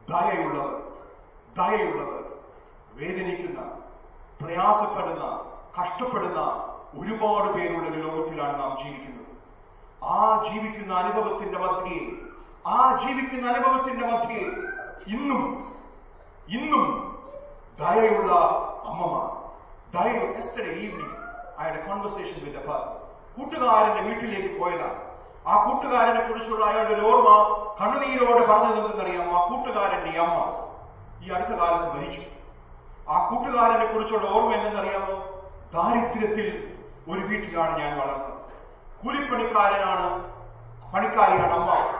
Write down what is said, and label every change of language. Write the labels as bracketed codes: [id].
[ml] ദയയുള്ളവർ വേദനിക്കുന്ന പ്രയാസപ്പെടുന്ന കഷ്ടപ്പെടുന്ന ഒരുപാട് പേരുള്ള ലോകത്തിലാണ് നാം ജീവിക്കുന്നത്. ആ ജീവിക്കുന്ന അനുഭവത്തിന്റെ മധ്യയെ ഇന്നും ദയയുള്ള അമ്മമാർ. [en] Yesterday evening, I had a conversation with a person. [ml] കൂട്ടുകാരന്റെ വീട്ടിലേക്ക് പോയതാണ്. ആ കൂട്ടുകാരനെ കുറിച്ചുള്ള അയാളുടെ ഒരു ഓർമ്മ കണ്ണുനീരോട് പറഞ്ഞു നിന്നെന്നറിയാമോ? ആ കൂട്ടുകാരന്റെ അമ്മ ഈ അടുത്ത കാലത്ത് മരിച്ചു. ആ കൂട്ടുകാരനെ കുറിച്ചുള്ള ഓർമ്മ എന്നറിയാമോ? ദാരിദ്ര്യത്തിൽ ഒരു വീട്ടിലാണ് ഞാൻ വളർന്നത്. പണിക്കാരിയാണ് അമ്മ.